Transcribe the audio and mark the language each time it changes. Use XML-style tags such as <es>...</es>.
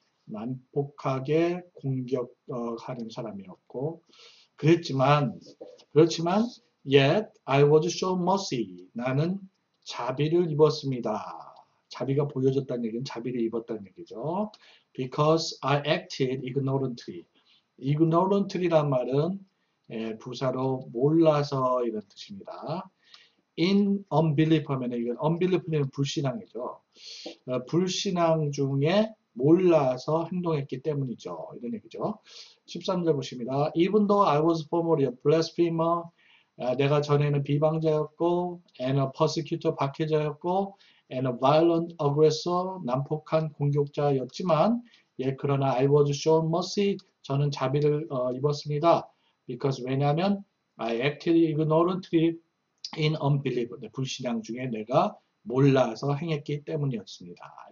<ko>난폭하게 공격하는 사람이었고, 그렇지만,</ko> <en>yet I was shown mercy.</en> <ko>나는 자비를 입었습니다. 자비가 보여졌다는 얘기는 자비를 입었다는 얘기죠.</ko> <en>Because I acted ignorantly.</en> <ko>Ignorantly란 말은 예, 부사로 몰라서 이런 뜻입니다.</ko> <en>In unbelief</en> <ko>하면 이건 unbelief는 불신앙이죠. 불신앙 중에 몰라서 행동했기 때문이죠. 이런 얘기죠. 13절 보십니다.</ko> <en>Even though I was formerly a blasphemer,</en> <ko>내가 전에는 비방자였고,</ko> <en>and a persecutor</en> <ko>박해자였고,</ko> <en>and a violent aggressor</en> <ko>난폭한 공격자였지만, 예, 그러나</ko> <en>I was shown mercy.</en> <ko>저는 자비를 입었습니다.</ko> <en>Because</en> <ko>왜냐하면</ko> <en>I acted ignorantly in unbelief.</en> <ko>불신앙 중에 내가 몰라서 행했기 때문이었습니다.</ko>